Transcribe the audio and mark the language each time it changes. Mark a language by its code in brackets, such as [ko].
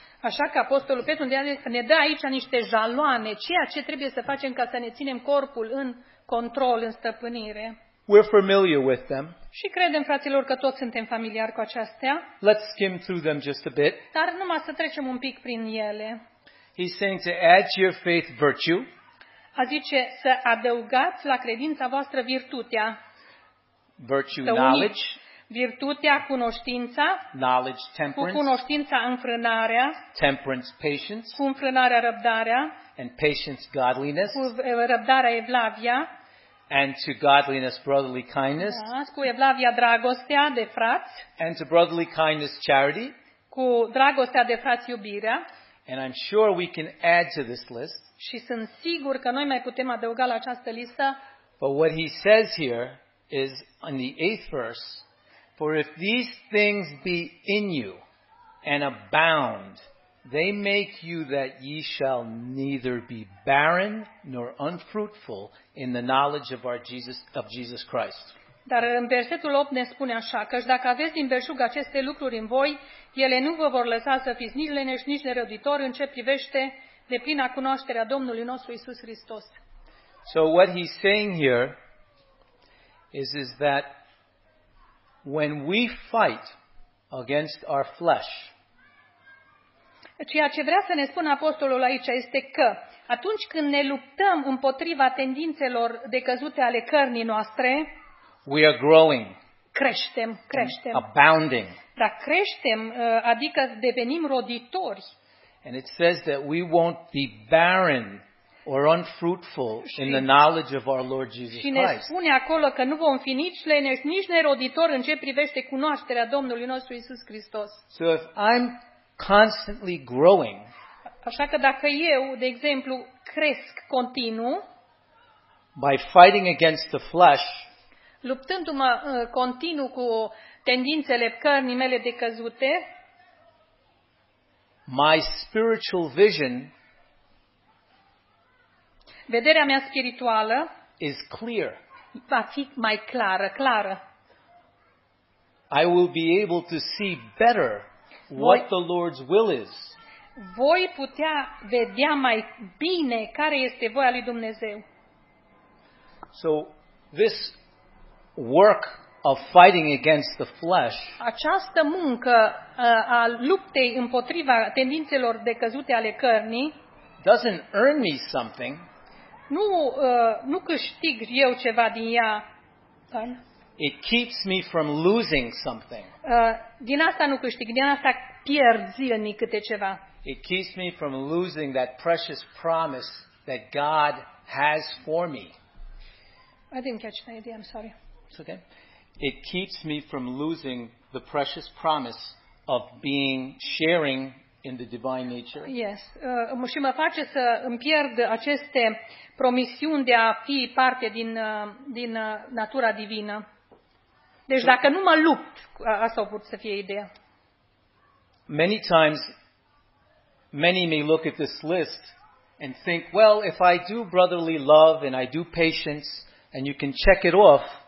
[ro] Așa că Apostolul Petru ne dă aici niște jaloane, ceea ce trebuie să facem ca să ne ținem corpul în control, în stăpânire. [en] We're familiar with them. [ro] Și credem, fraților, că toți suntem familiari cu acestea. [en] Let's skim through them just a bit. [ro] Dar numai să trecem un pic prin ele. [en] He's saying to add to your faith virtue. [ro] A zice să adăugați la credința voastră virtutea. [en] Virtue, knowledge. [ro] Virtutea, cunoștința. [en] Knowledge, temperance. [ro] Cu cunoștința, înfrânarea. [en] Temperance, patience. [ro] Cu înfrânarea, răbdarea. [en] And patience, godliness. [ro] Cu răbdarea, evlavia. [en] And to godliness, brotherly kindness. [ro] Da, cu evlavia, dragostea de frați. [en] And to brotherly kindness, charity. [ro] Cu dragostea de frați, iubirea. [en] And I'm sure we can add to this list. [ro] Și sunt sigur că noi mai putem adăuga la această listă. [en] But what he says here is in the 8th verse, for if these things be in you and abound, they make you that ye shall neither be barren nor unfruitful in the knowledge of Jesus Christ. [ro] Dar în versetul 8 ne spune așa, căci dacă aveți din belșug aceste lucruri în voi, ele nu vă vor lăsa să fiți nici leneși, nici nerăbditori în ce privește deplina cunoașterea Domnului nostru Iisus Hristos. [en] So what he's saying here is that when we fight against our flesh, [ro] ceea ce vrea să ne spună apostolul aici este că atunci când ne luptăm împotriva tendințelor decăzute ale cărnii noastre, [en] we are growing. [ro] Creștem. [en] Abounding. [ro] Dar creștem, adică devenim roditori. [en] And it says that we won't be barren or unfruitful in the knowledge of our Lord Jesus Christ. [ro] Și ne spune acolo că nu vom fi nici leneși, nici neroditori în ce privește cunoașterea Domnului nostru Iisus Hristos. [en] So if I'm constantly growing, [ro] așa că dacă eu, de exemplu, cresc continuu, [en] by fighting against the flesh, [ro] luptându-mă continuu cu tendințele cărnii mele decăzute, [en] my spiritual vision, [ro] vederea mea spirituală, [en] is clear. [ro] Va fi mai clară. [en] I will be able to see better what the Lord's will is. [ro] Voi putea vedea mai bine care este voia lui Dumnezeu. [en] So this work of fighting against the flesh, [ro] această muncă a luptei împotriva tendințelor decăzute ale cărnii, [en] doesn't earn me something. [ro] Nu câștig eu ceva din ea. [en] It keeps me from losing something. [ro] Din asta nu câștig, din asta pierd zilnic câte ceva. [en] It keeps me from losing that precious promise that God has for me. I didn't catch the idea, I'm sorry. It's okay. It keeps me from losing the precious promise of being sharing in the divine nature. Yes. [ro] Și mă face să îmi pierd aceste promisiuni de a fi parte din natura divină. Deci dacă nu mă lupt, asta o pot să fie ideea. [en] Many times, many may look at this list and think, well, if I do brotherly love and I do patience and you can check it off.